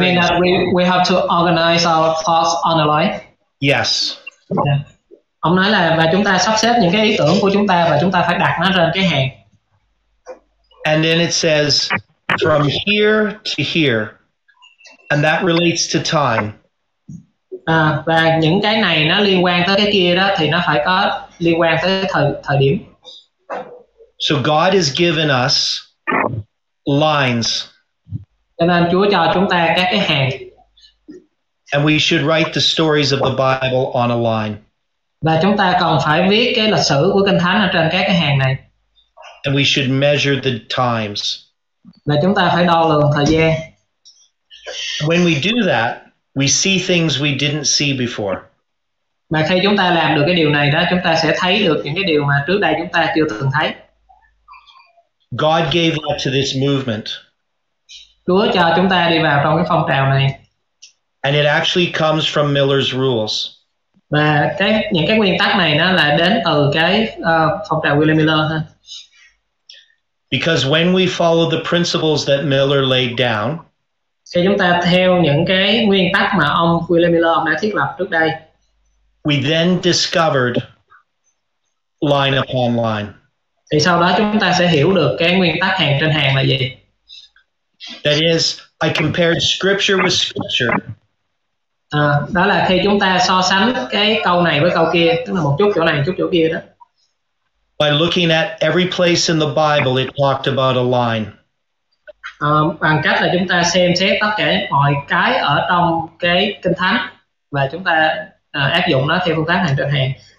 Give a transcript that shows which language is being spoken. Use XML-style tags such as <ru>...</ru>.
<en>You mean that we have to organize our thoughts on a line? Yes. Yeah.</en> <vi>Ông nói là và chúng ta sắp xếp những cái ý tưởng của chúng ta và chúng ta phải đặt nó trên cái hàng.</vi> <en>And then it says from here to here, and that relates to time.</en> <vi>Và những cái này nó liên quan tới cái kia đó thì nó phải có liên quan tới thời điểm.</vi> <en>So God has given us lines.</en> <vi>Cho nên Chúa cho chúng ta các cái hàng.</vi> <en>And we should write the stories of the Bible on a line.</en> <vi>Và chúng ta còn phải viết cái lịch sử của Kinh Thánh ở trên các cái hàng này.</vi> <en>And we should measure the times.</en> <vi>Và chúng ta phải đo lường thời gian.</vi> <en>When we do that, we see things we didn't see before.</en> <vi>Mà khi chúng ta làm được cái điều này đó, chúng ta sẽ thấy được những cái điều mà trước đây chúng ta chưa từng thấy.</vi> <en>God gave up to this movement.</en> <vi>Chúa cho chúng ta đi vào trong cái phong trào này.</vi> <en>And it actually comes from Miller's rules.</en> <vi>Và những cái nguyên tắc này nó là đến từ cái phong trào William Miller ha.</vi> <en>Because when we follow the principles that Miller laid down,</en> <vi>khi chúng ta theo những cái nguyên tắc mà ông William Miller ông đã thiết lập trước đây,</vi> <en>we then discovered line upon line.</en> <vi>Thì sau đó chúng ta sẽ hiểu được cái nguyên tắc hàng trên hàng là gì.</vi> <en>That is, I compared scripture with scripture.</en> <vi>À, đó là khi chúng ta so sánh cái câu này với câu kia, tức là một chút chỗ này, một chút chỗ kia đó.</vi> <en>By looking at every place in the Bible, it talked about a line.</en> <vi>À, bằng cách là chúng ta xem xét tất cả mọi cái ở trong cái Kinh Thánh và chúng ta áp dụng nó theo phương pháp hàng trên hàng.</vi>